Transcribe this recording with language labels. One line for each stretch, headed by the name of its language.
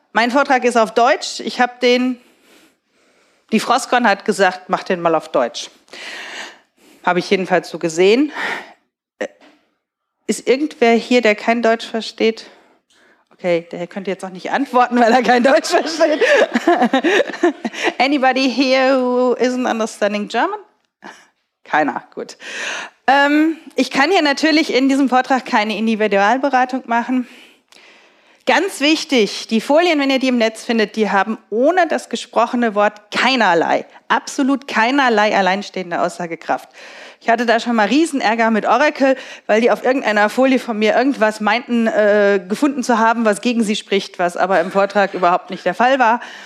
German: Mein Vortrag ist auf Deutsch. Ich habe den... Die Froscon hat gesagt, mach den mal auf Deutsch. Habe ich jedenfalls so gesehen. Ist irgendwer hier, der kein Deutsch versteht? Okay, der könnte jetzt auch nicht antworten, weil er kein Deutsch versteht.
English: Anybody here who isn't understanding German?
German: Keiner, gut. Ich kann hier natürlich in diesem Vortrag keine Individualberatung machen. Ganz wichtig, die Folien, wenn ihr die im Netz findet, die haben ohne das gesprochene Wort keinerlei, absolut keinerlei alleinstehende Aussagekraft. Ich hatte da schon mal Riesenärger mit Oracle, weil die auf irgendeiner Folie von mir irgendwas meinten, gefunden zu haben, was gegen sie spricht, was aber im Vortrag überhaupt nicht der Fall war.